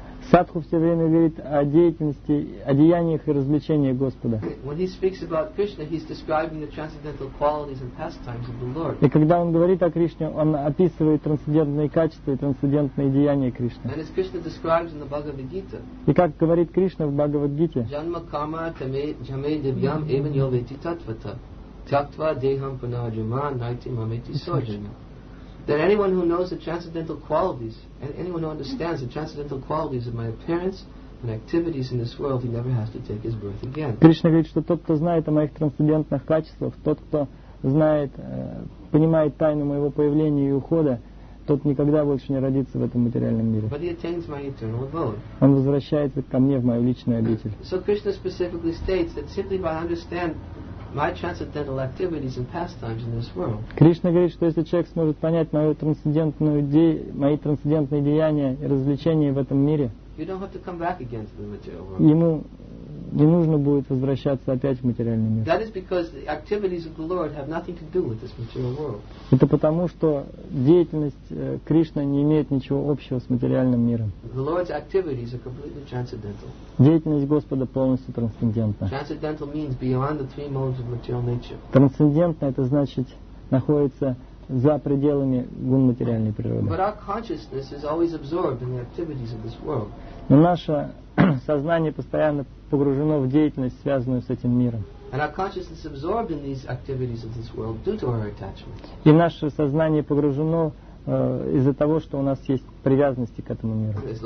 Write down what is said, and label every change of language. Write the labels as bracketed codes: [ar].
[ru] Садху все время говорит о деятельности, о деяниях и развлечениях Господа. [en] When he speaks about Krishna, he's describing the transcendental qualities and pastimes of the Lord. [ru] И когда он говорит о Кришне, он описывает трансцендентные качества и трансцендентные деяния Кришны. [en] And as Krishna describes in the Bhagavad Gita. [ru] И как говорит Кришна в Бхагавад Гите. [sa] Janma karma tame jame devyam evan yoveti tatvata tyaktva deham punarjuman naiti mameti sojana. [en] That anyone who knows the transcendental qualities, and anyone who understands the transcendental qualities of my appearance and activities in this world, he never has to take his birth again. [ru] Кришна говорит, что тот, кто знает о моих трансцендентных качествах, тот, кто знает, понимает тайну моего появления и ухода, тот никогда больше не родится в этом материальном мире. [en] But he attains my eternal abode. [ru] Он возвращается ко мне в мою личную обитель. [en] So Krishna specifically states that simply by understanding my transcendental activities and pastimes in this world. [ru] Кришна говорит, что если человек сможет понять мои трансцендентные деяния и развлечения в этом мире, [en] you don't have to come back again to the material world. [ru] Ему не нужно будет возвращаться опять в материальный мир. [en] That is because the activities of the Lord have nothing to do with this material world. [ru] Это потому, что деятельность Кришны не имеет ничего общего с материальным миром. [en] The Lord's activities are completely transcendental. [ru] Деятельность Господа полностью трансцендентна. [en] Transcendental means beyond the three modes of material nature. [ru] Трансцендентно — это значит находится за пределами гун материальной природы. [en] But our consciousness is always absorbed in the activities of this world. [ru] Но наше сознание постоянно погружено в деятельность, связанную с этим миром. И наше сознание погружено из-за того, что у нас есть привязанности к этому миру.